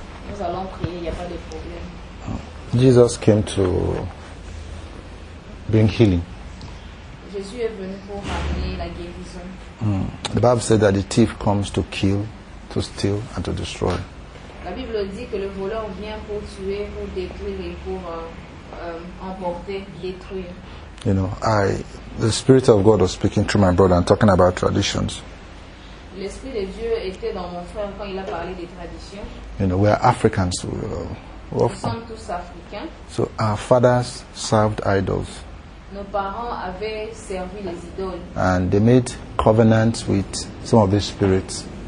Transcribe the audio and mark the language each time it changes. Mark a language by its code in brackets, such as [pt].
[fr] Nous allons prier, il n'y a pas de problème. [en] Jesus came to bring healing. [fr] Jésus est venu pour ramener la guérison. [en] The Bible said that the thief comes to kill, to steal and to destroy. [fr] La Bible dit que le voleur vient pour tuer, pour détruire et pour emporter, détruire. [en] You know, the Spirit of God was speaking through my brother and talking about traditions. [fr] L'Esprit de Dieu était dans mon frère quand il a parlé des traditions. [en] You know, we are Africans. [fr] Nous sommes tous Africains. [en] So our fathers served idols. [fr] Nos parents avaient servi les idoles. [en] And they made covenants with some of these spirits.